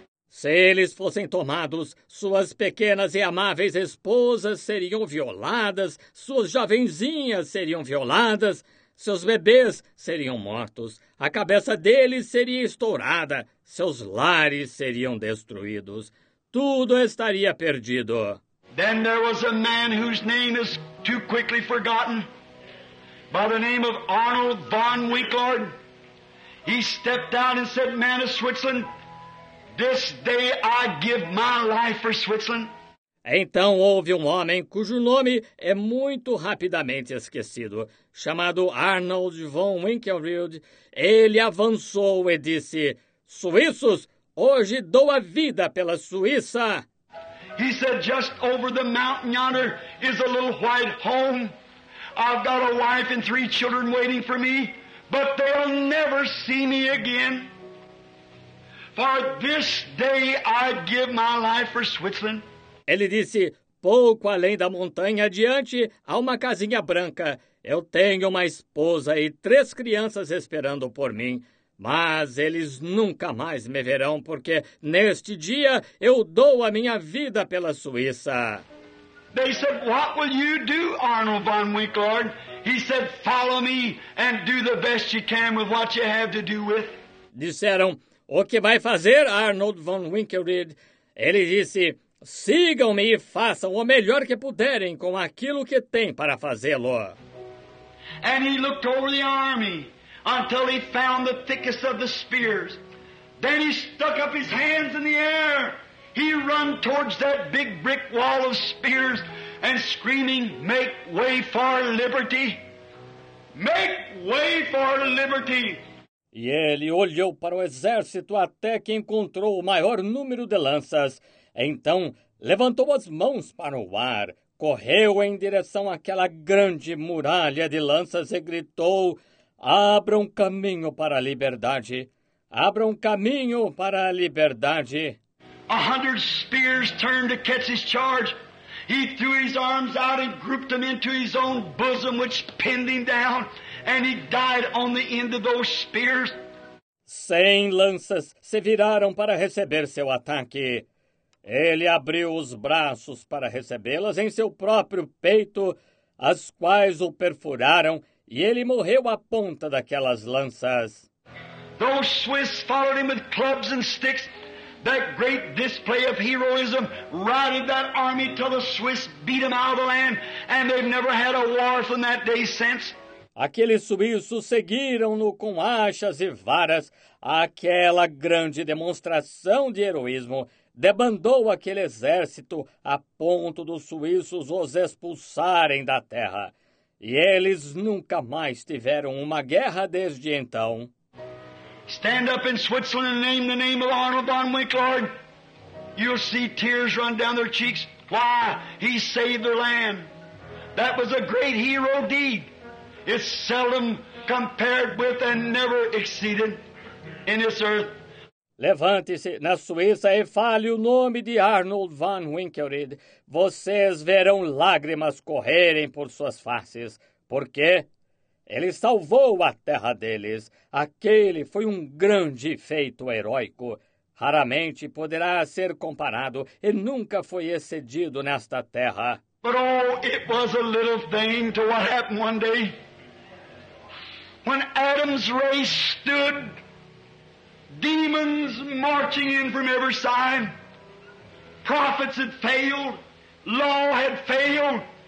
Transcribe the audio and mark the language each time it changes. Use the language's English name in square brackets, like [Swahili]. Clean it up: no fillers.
[Portuguese] Se eles fossem tomados, suas pequenas e amáveis esposas seriam violadas, suas jovenzinhas seriam violadas, seus bebês seriam mortos, a cabeça deles seria estourada, seus lares seriam destruídos, tudo estaria perdido. [English] Then there was a man whose name is too quickly forgotten, by the name of Arnold von Winkelried. He stepped out and said, Man of Switzerland, this day I give my life for Switzerland. [Portuguese] Então houve um homem cujo nome é muito rapidamente esquecido, chamado Arnold von Winkelried. Ele avançou e disse, Suíços, hoje dou a vida pela Suíça. [English] He said, just over the mountain yonder is a little white home. I've got a wife and three children waiting for me, but they'll never see me again. For this day I give my life for Switzerland. [Portuguese] Ele disse, pouco além da montanha adiante, há uma casinha branca. Eu tenho uma esposa e três crianças esperando por mim. Mas eles nunca mais me verão, porque neste dia eu dou a minha vida pela Suíça. [English] They said, what will you do, Arnold von Winkelhorn? He said, follow me and do the best you can with what you have to do with. [Portuguese] Disseram, o que vai fazer, Arnold von Winkelried? Ele disse, sigam-me e façam o melhor que puderem com aquilo que têm para fazê-lo. [English] And he looked over the army until he found the thickest of the spears. Then he stuck up his hands in the air. He ran towards that big brick wall of spears and screaming, make way for liberty! Make way for liberty! [Portuguese] E ele olhou para o exército até que encontrou o maior número de lanças. Então, levantou as mãos para o ar, correu em direção àquela grande muralha de lanças e gritou, abram caminho para a liberdade! Abram caminho para a liberdade! [English] 100 spears turned to catch his charge. He threw his arms out and grouped them into his own bosom, which pinned him down, and he died on the end of those spears. [Portuguese] 100 lanças se viraram para receber seu ataque. Ele abriu os braços para recebê-las em seu próprio peito, as quais o perfuraram, e ele morreu à ponta daquelas lanças. [English] Those Swiss followed him with clubs and sticks. That great display of heroism routed that army till the Swiss beat them out of the land, and they've never had a war from that day since. [Portuguese] Aqueles suíços seguiram-no com hachas e varas. Aquela grande demonstração de heroísmo debandou aquele exército a ponto dos suíços os expulsarem da terra. E eles nunca mais tiveram uma guerra desde então. [English] Stand up in Switzerland and name the name of Arnold von Winkelhorn. You'll see tears run down their cheeks. Why? He saved their land. That was a great hero deed. It's seldom compared with and never exceeded in this earth. [Portuguese] Levante-se na Suíça e fale o nome de Arnold von Winkelried. Vocês verão lágrimas correrem por suas faces. Por quê? Ele salvou a terra deles. Aquele foi um grande feito heróico. Raramente poderá ser comparado e nunca foi excedido nesta terra. [English] But oh, it was a little thing to what happened one day. When Adam's race stood, demons marching in from every side. Prophets had failed. Law had failed.